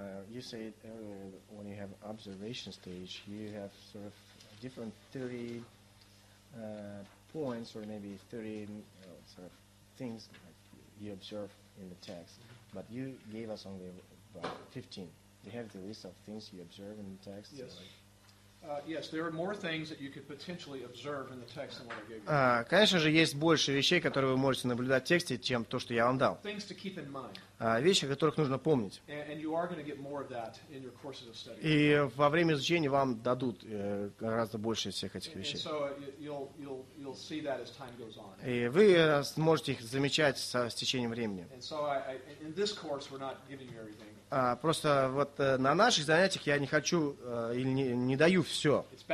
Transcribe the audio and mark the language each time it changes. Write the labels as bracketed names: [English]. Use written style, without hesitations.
[English] You say earlier when you have observation stage, you have sort of different 30 points or maybe 30 sort of things like you observe in the text. But you gave us only about 15. You have the list of things you observe in the text. Yes. Yes, there are more things that you could potentially observe in the text than what I gave you. [Russian] Конечно же, есть больше вещей, которые вы можете наблюдать в тексте, чем то, что я вам дал. [English] Things to keep in mind. [Russian] Вещи, о которых нужно помнить. [English] And you are going to get more of that in your courses of study. [Russian] И во время изучения вам дадут гораздо больше всех этих вещей. [English] And so you'll see that as time goes on. [Russian] И вы сможете их замечать с течением времени. [English] And so in this course we're not giving you everything. [Russian] Просто вот на наших занятиях я не хочу или не даю все.